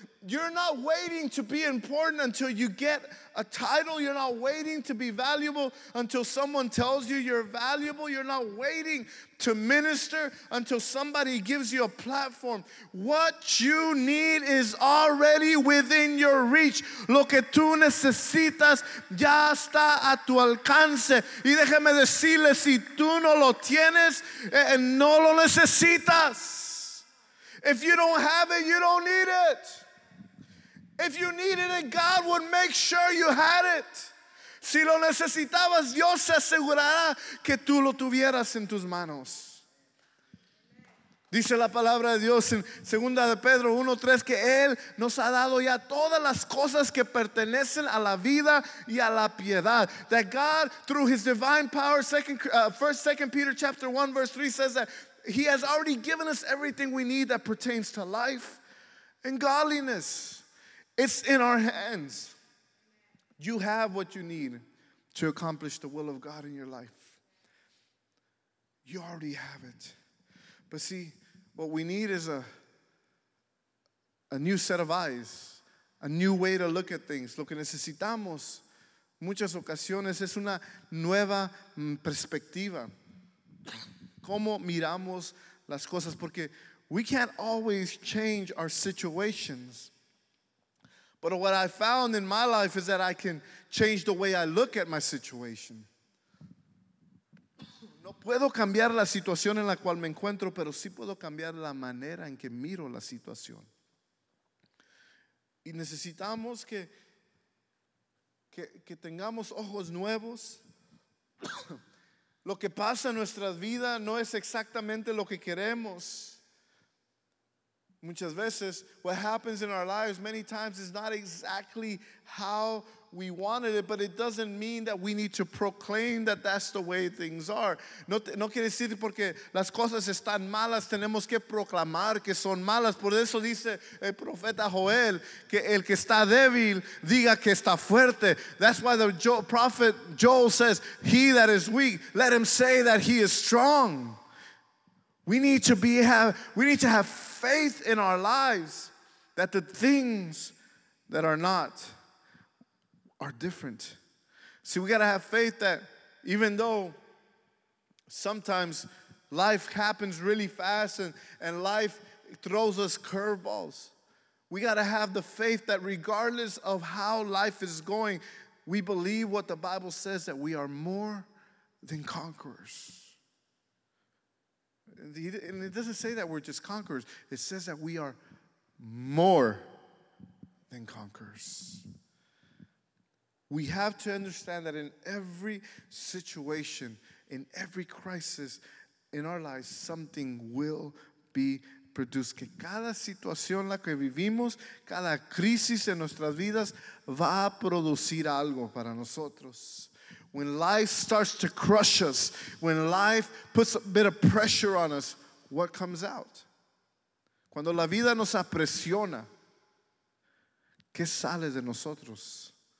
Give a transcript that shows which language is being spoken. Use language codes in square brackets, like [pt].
[en] You're not waiting to be important until you get a title. You're not waiting to be valuable until someone tells you you're valuable. You're not waiting to minister until somebody gives you a platform. What you need is already within your reach. [es] Lo que tú necesitas ya está a tu alcance. Y déjeme decirle, si tú no lo tienes, no lo necesitas. [en] If you don't have it, you don't need it. If you needed it, God would make sure you had it. [es] Si lo necesitabas, Dios se asegurará que tú lo tuvieras en tus manos. Dice la palabra de Dios en 2 de Pedro 1:3 que Él nos ha dado ya todas las cosas que pertenecen a la vida y a la piedad. [en] That God, through his divine power, 2 Peter chapter 1, verse 3 says that he has already given us everything we need that pertains to life and godliness. It's in our hands. You have what you need to accomplish the will of God in your life. You already have it. But see, what we need is a new set of eyes, a new way to look at things. [es] Lo que necesitamos muchas ocasiones es una nueva perspectiva. Cómo miramos las cosas, porque [en] we can't always change our situations. But what I found in my life is that I can change the way I look at my situation. [es] No puedo cambiar la situación en la cual me encuentro, pero sí puedo cambiar la manera en que miro la situación. Y necesitamos que tengamos ojos nuevos. Lo que pasa en nuestras vidas no es exactamente lo que queremos. Muchas veces, [en] what happens in our lives many times is not exactly how we wanted it, but it doesn't mean that we need to proclaim that that's the way things are. [es] No quiere decir porque las cosas están malas, tenemos que proclamar que son malas. Por eso dice el profeta Joel, que el que está débil diga que está fuerte. [en] That's why the prophet Joel says, he that is weak, let him say that he is strong. We need to have faith in our lives that the things that are not are different. See, we got to have faith that even though sometimes life happens really fast and life throws us curveballs, we got to have the faith that regardless of how life is going, we believe what the Bible says, that we are more than conquerors. And it doesn't say that we're just conquerors. It says that we are more than conquerors. We have to understand that in every situation, in every crisis in our lives, something will be produced. [es] Que cada situación la que vivimos, cada crisis en nuestras vidas, va a producir algo para nosotros. [en] When life starts to crush us, when life puts a bit of pressure on us, what comes out? [es] Cuando la vida nos apresiona, ¿qué sale de nosotros?